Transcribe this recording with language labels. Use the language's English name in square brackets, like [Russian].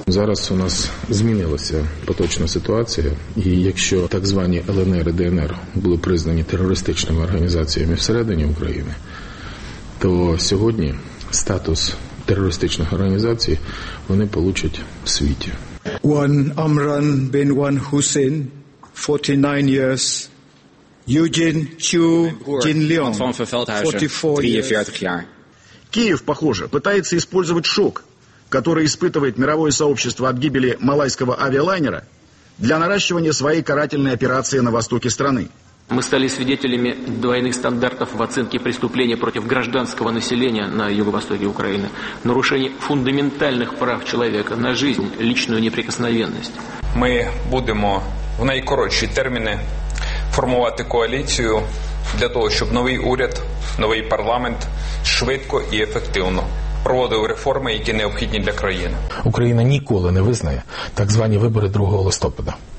[Ukrainian] Зараз у нас змінилася поточна ситуація, і якщо так звані ЛНР і ДНР були признані терористичними організаціями всередині України, то сьогодні статус терористичних організацій вони получать в світі. [English] Уан Амран бен Уан Хусейн, 49 years. Юджин Чу Джинльон, 44 years. [Russian] Киев, похоже, пытается использовать шок, который испытывает мировое сообщество от гибели малайского авиалайнера, для наращивания своей карательной операции на востоке страны. Мы стали свидетелями двойных стандартов в оценке преступления против гражданского населения на юго-востоке Украины, нарушение фундаментальных прав человека на жизнь, личную неприкосновенность. [Ukrainian] Мы будем в наикоротші терміни формувати коаліцію для того, щоб новий уряд, новий парламент швидко і ефективно проводив реформи, які необхідні для країни. Україна ніколи не визнає так звані вибори 2 листопада.